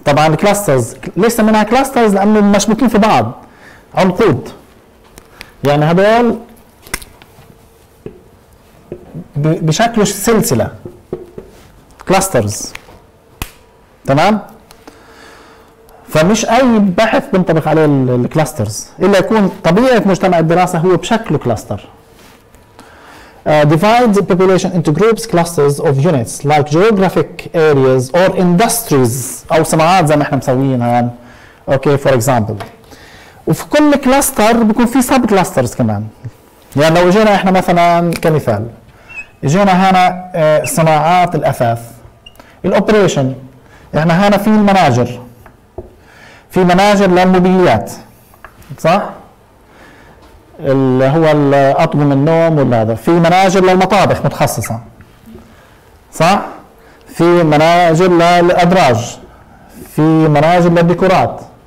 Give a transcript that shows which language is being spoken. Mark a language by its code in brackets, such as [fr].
[ar] طبعا كلاسترز ليش سميناها كلاسترز؟ لانه مشبوكين في بعض عنقود، يعني هذول بشكل سلسلة كلاسترز تمام. فمش اي بحث بنطبق عليه الكلاسترز، الا يكون طبيعة مجتمع الدراسة هو بشكله كلاستر. [en] Divide the population into groups, clusters of units like geographic areas or industries، [ar] او صناعات زي ما احنا مسويين هان. اوكي فور اكزامبل، وفي كل كلاستر بيكون في سب كلاسترز كمان. يعني لو جينا احنا مثلا كمثال، جينا هنا صناعات الاثاث الاوبريشن، احنا هنا في المناجر، في مناجر للموبيليات صح، اللي هو اطقم النوم ولا هذا، في مناجر للمطابخ متخصصه صح، في مناجر للادراج، في مناجر للديكورات.